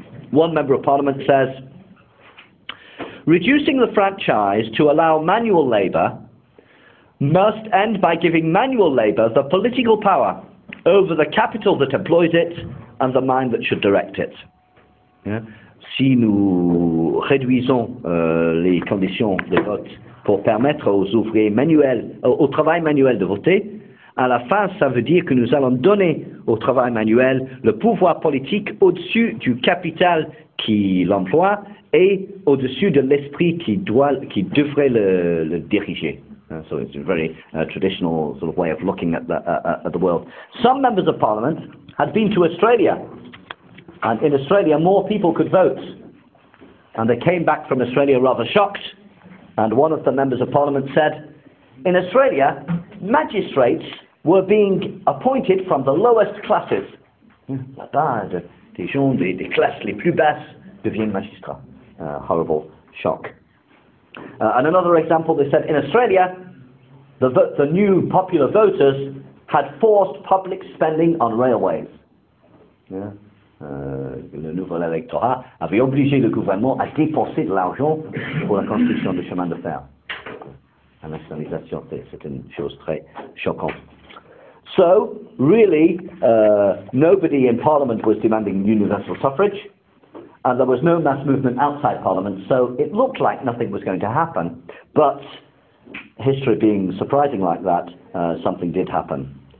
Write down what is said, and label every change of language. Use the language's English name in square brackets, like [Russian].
[English] One member of parliament says, reducing the franchise to allow manual labour must end by giving manual labour the political power over the capital that employs it and the mind that should direct it. Yeah. [French] si nous réduisons les conditions de vote pour permettre aux ouvriers manuels, au travail manuel de voter, à la fin, ça veut dire que nous allons donner au travail manuel le pouvoir politique au-dessus du capital qui l'emploie et au-dessus de l'esprit qui devrait le diriger. [English] So it's a very traditional sort of way of looking at the world. Some members of parliament had been to Australia, and in Australia more people could vote, and they came back from Australia rather shocked, and one of the members of parliament said, in Australia magistrates were being appointed from the lowest classes. [French] Là-bas, des gens des classes les plus basses deviennent magistrats. [English] Horrible shock. And another example, they said, in Australia, the new popular voters had forced public spending on railways. Yeah. [French] Le nouvel électorat avait obligé le gouvernement à dépenser de l'argent pour la construction de chemins de fer. La nationalisation, c'est une chose très choquante. [English] So, really, nobody in Parliament was demanding universal suffrage, and there was no mass movement outside Parliament, so it looked like nothing was going to happen. But, history being surprising like that, something did happen.